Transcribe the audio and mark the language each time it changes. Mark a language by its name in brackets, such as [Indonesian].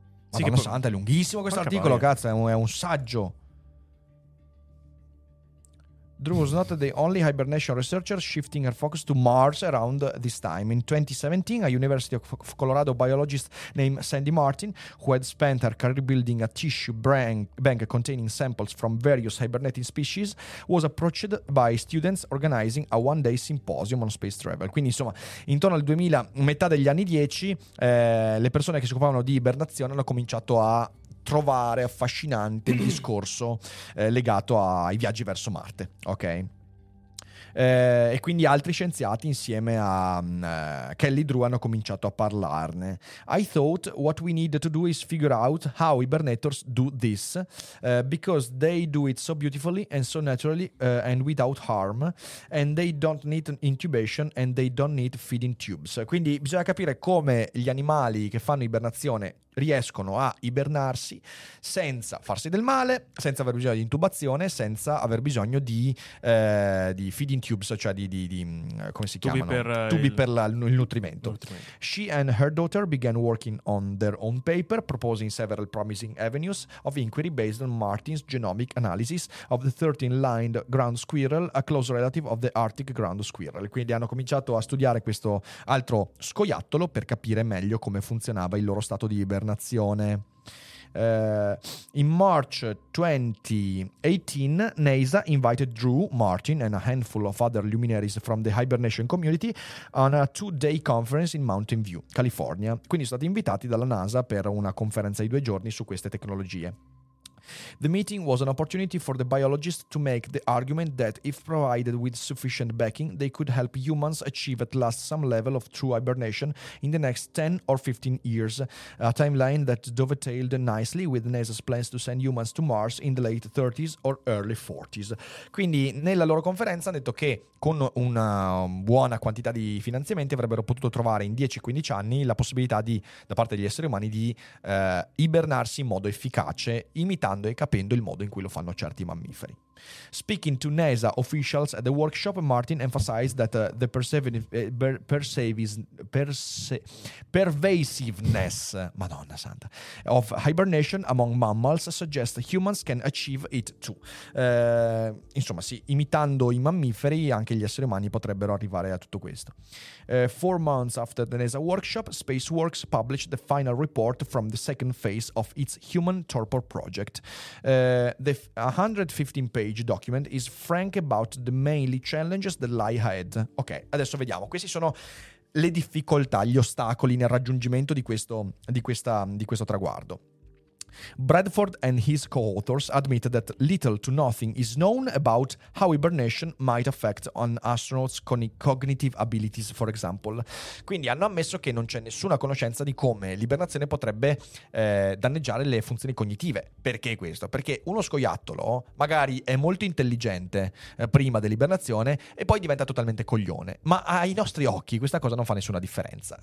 [Italian] Sì, che santa, è lunghissimo questo articolo, cazzo, è un saggio. [English] Drew was not the only hibernation researcher shifting her focus to Mars around this time. In 2017, a University of Colorado biologist named Sandy Martin, who had spent her career building a tissue bank containing samples from various hibernating species, was approached by students organizing a one-day symposium on space travel. [Italian] Quindi, insomma, intorno al 2000, metà degli anni 10, le persone che si occupavano di ibernazione hanno cominciato a trovare affascinante il discorso legato ai viaggi verso Marte, ok? E quindi altri scienziati insieme a Kelly Drew hanno cominciato a parlarne. [English] I thought what we need to do is figure out how hibernators do this, because they do it so beautifully and so naturally, and without harm, and they don't need intubation and they don't need feeding tubes. [Italian] Quindi bisogna capire come gli animali che fanno ibernazione riescono a ibernarsi senza farsi del male, senza aver bisogno di intubazione, senza aver bisogno di [English] feeding tubes, [Italian] cioè di come si chiamano? Tubi per il nutrimento. [English] She and her daughter began working on their own paper, proposing several promising avenues of inquiry based on Martin's genomic analysis of the 13-lined ground squirrel, a close relative of the Arctic ground squirrel. [Italian] Quindi hanno cominciato a studiare questo altro scoiattolo per capire meglio come funzionava il loro stato di ibernazione. [English] In March 2018, NASA invited Drew, Martin and a handful of other luminaries from the hibernation community on a two-day conference in Mountain View, California. [Italian] Quindi sono stati invitati dalla NASA per una conferenza di due giorni su queste tecnologie. [English] The meeting was an opportunity for the biologists to make the argument that if provided with sufficient backing, they could help humans achieve at last some level of true hibernation in the next 10 or 15 years, a timeline that dovetailed nicely with NASA's plans to send humans to Mars in the late 30s or early 40s. [Italian] Quindi nella loro conferenza hanno detto che con una buona quantità di finanziamenti avrebbero potuto trovare in 10-15 anni la possibilità di, da parte degli esseri umani, di ibernarsi in modo efficace, imitando e capendo il modo in cui lo fanno certi mammiferi. [English] Speaking to NASA officials at the workshop, Martin emphasized that the pervasiveness [Italian] Madonna santa, [English] of hibernation among mammals suggests humans can achieve it too. [Italian] Insomma, sì, imitando i mammiferi, anche gli esseri umani potrebbero arrivare a tutto questo. [English] 4 months after the NASA workshop, SpaceWorks published the final report from the second phase of its Human Torpor Project. The 115-page document is frank about the mainly challenges that lie ahead. [Italian] Ok, adesso vediamo. Questi sono le difficoltà, gli ostacoli nel raggiungimento di questo traguardo. [English] Bradford and his co-authors admit that little to nothing is known about how hibernation might affect on astronauts' cognitive abilities, for example. [Italian] Quindi hanno ammesso che non c'è nessuna conoscenza di come l'ibernazione potrebbe danneggiare le funzioni cognitive. Perché questo? Perché uno scoiattolo magari è molto intelligente prima dell'ibernazione e poi diventa totalmente coglione, ma ai nostri occhi questa cosa non fa nessuna differenza.